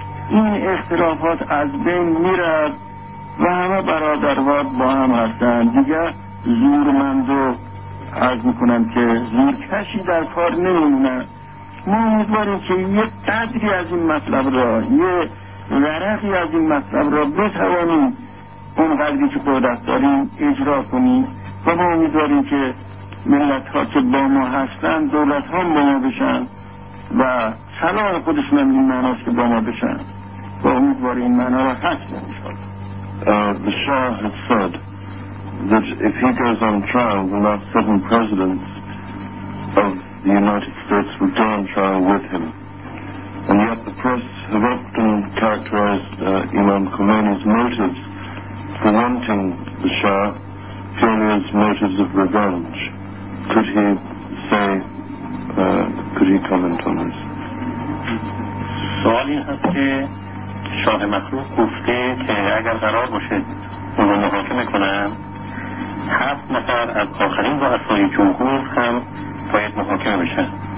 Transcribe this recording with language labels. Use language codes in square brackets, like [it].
[fa] این اختلافات از بین میرد و همه برادروار با هم هستند دیگه زورمند و عرض میکنم که زورکشی در کار نمیمونند ما امیدواریم که یه قدری از این مطلب را یه ورقی از این مطلب را بتوانیم اون قدری که قدرت داریم اجرا کنیم و ما امیدواریم که ملت ها که با ما هستند دولت ها با ما بشن و صلاح خودشون هم این معناست که با ما بشن و امیدواریم این معنا را هستن [en] انشاءالله The Shah has said that if he goes on trial the last seven presidents of the United States would go on trial with him and yet the press have often characterized Imam Khomeini's motives for wanting the Shah purely as motives of revenge. Could he say, could he comment on this? [fa] سوال این هست که شاه مخلوق گفته که اگر قرار باشد اون رو محاکمه کنن هفت نفر از آخرین رؤسای جمهور هم باید محاکمه بشن